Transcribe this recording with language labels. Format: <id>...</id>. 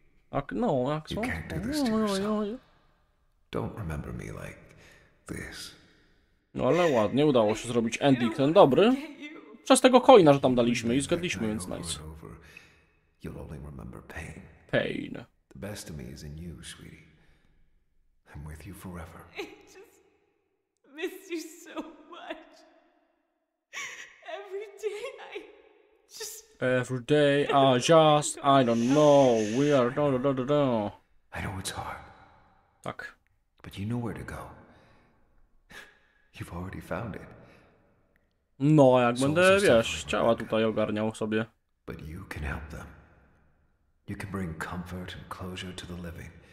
<en>Ak, no, ak, co? You can't do this to yourself. Don't remember me like this.</en> <pl>No ale ładnie, udało się zrobić ending ten dobry. Przez tego coina, że tam daliśmy i zgadliśmy, więc nice.</pl> <en>You'll only remember pain. Pain. The best of me is in you, sweetie. I'm with you forever. I just miss you so much. Every day I just... Every day I just... I don't know. We are... No, no, no, no, no. I know it's hard. Tak. But you know where to go. You've already found it.</en> <pl>No, jak będę, wiesz, ciała tutaj ogarniał sobie.</pl> <en>But you can help them. You can bring comfort and closure to the living.</en>